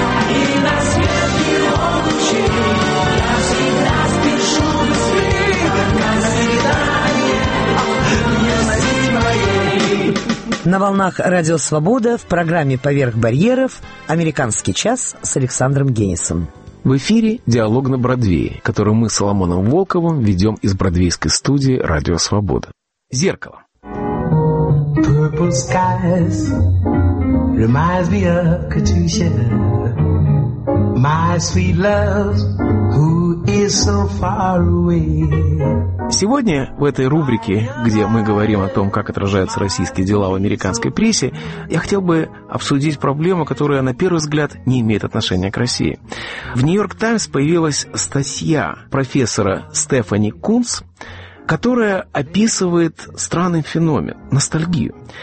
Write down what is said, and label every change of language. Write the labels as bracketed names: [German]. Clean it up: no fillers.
[Russian] И на свет ебучий я всегда спешу быстрее, как на свидание юности моей. На волнах «Радио Свобода» в программе «Поверх барьеров» «Американский час» с Александром Генисом. В эфире «Диалог на Бродвее», который мы с Соломоном Волковым ведем из бродвейской студии «Радио Свобода». «Зеркало». [English] Purple skies reminds me of Katusha, my sweet love, who is so far away. [Russian] Сегодня в этой рубрике, где мы говорим о том, как отражаются российские дела в американской прессе, я хотел бы обсудить проблему, которая на первый взгляд не имеет отношения к России. В «Нью-Йорк Таймс» появилась статья профессора Стефани Кунц, которая описывает странный феномен – ностальгию.